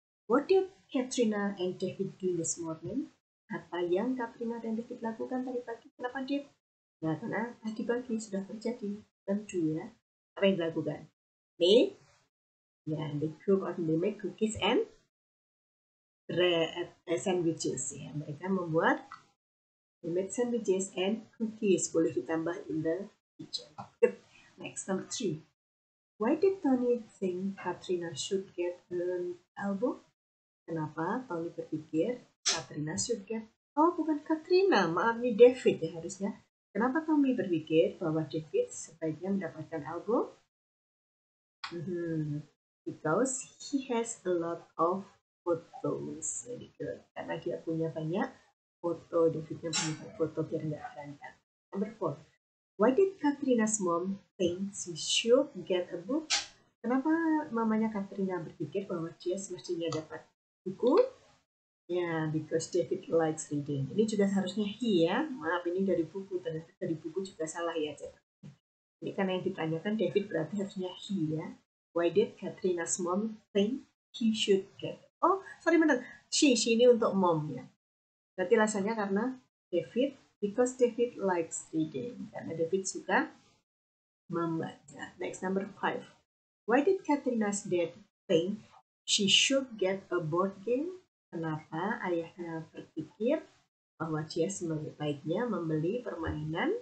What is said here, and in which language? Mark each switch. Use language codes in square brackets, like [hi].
[en] What did Katrina and David do this morning? [id] Apa yang Katrina dan David lakukan tadi pagi? Kenapa dia? Nah, karena tadi pagi sudah terjadi. Tentu ya. Apa yang dilakukan? [en] They cook or they make cookies and bread sandwiches. [id] Ya, yeah, mereka membuat [en] they make sandwiches and cookies. [id] Boleh ditambah [en] in the kitchen. Good. Next, number three. Why did Tony think Katrina should get an elbow? [id] Kenapa Tony berpikir Katrina [en] should get? [id] Oh, bukan Katrina. Maaf, ini David ya harusnya. Kenapa Tommy berpikir bahwa David sebaiknya mendapatkan album? [en] Because he has a lot of photos. Very good. [id] Karena dia punya banyak foto, Davidnya punya banyak foto biar nggak berantakan. Number 4. [en] Why did Katrina's mom think she should get a book? [id] Kenapa mamanya Katrina berpikir bahwa dia semestinya dapat buku? [en] Yeah, because David likes reading. [id] Ini juga harusnya he ya. Maaf, ini dari buku. Ternyata dari buku juga salah ya. Ini karena yang ditanyakan David berarti harusnya he ya. [en] Why did Katrina's mom think he should get? [id] Oh, sorry benar. She ini untuk mom ya. Berarti alasannya karena David, [en] because David likes reading. [id] Karena David suka membaca. Next, number 5. [en] Why did Katrina's dad think she should get a board game? [id] Kenapa ayahnya berpikir bahwa dia sebaiknya membeli permainan, ya, permainan papan? Ya. Kenapa?